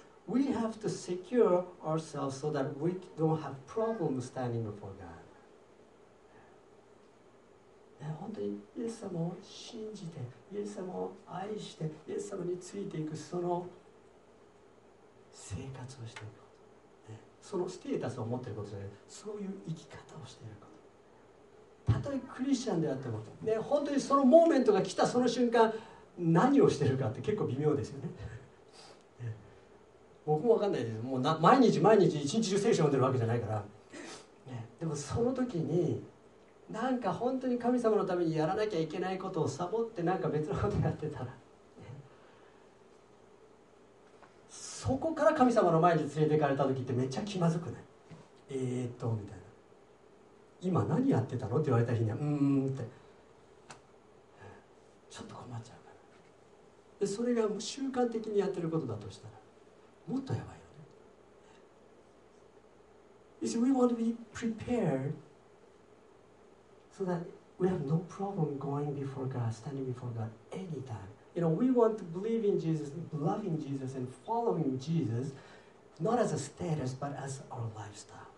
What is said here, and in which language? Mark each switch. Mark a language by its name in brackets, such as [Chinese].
[English] We have to secure ourselves so that we don't have problems standing before God. [Japanese] 本当にイエス様を信じて、イエス様を愛して、イエス様についていくその生活をしていく。そのステータスを持っていることで、そういう生き方をしていく。たとえクリスチャンであっても、本当にそのモーメントが来たその瞬間、何をしてるかって結構微妙ですよね。僕も分かんないです。もう毎日毎日一日中聖書読んでるわけじゃないから、ね、でもその時になんか本当に神様のためにやらなきゃいけないことをサボってなんか別のことやってたら、ね、そこから神様の前に連れて行かれた時ってめっちゃ気まずくない？みたいな。今何やってたのって言われた日にはってちょっと困っちゃう。でそれが習慣的にやってることだとしたら、もっとやばいよね。 [English] You see, we want to be prepared so that we have no problem going before God, standing before God anytime. You know, we want to believe in Jesus, loving Jesus, and following Jesus, not as a status, but as our lifestyle.